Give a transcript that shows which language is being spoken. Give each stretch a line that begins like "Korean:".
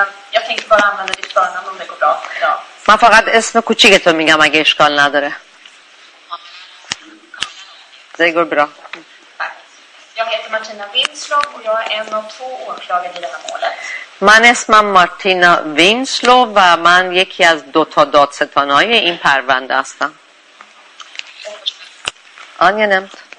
Swedish: Jag tänkte bara använda ditt förnamn om det går bra. Ja.
Persian: من فقط اسم کوچیکت رو میگم اگه اشکال نداره.
Swedish: Det går bra. Jag heter Martina Winslow och jag är en av två åklagare i det här målet.
Persian: من اسمم مارتینا وینسلو و من یکی از دوتا دادستانهای این پرونده هستم. آنیا نمت.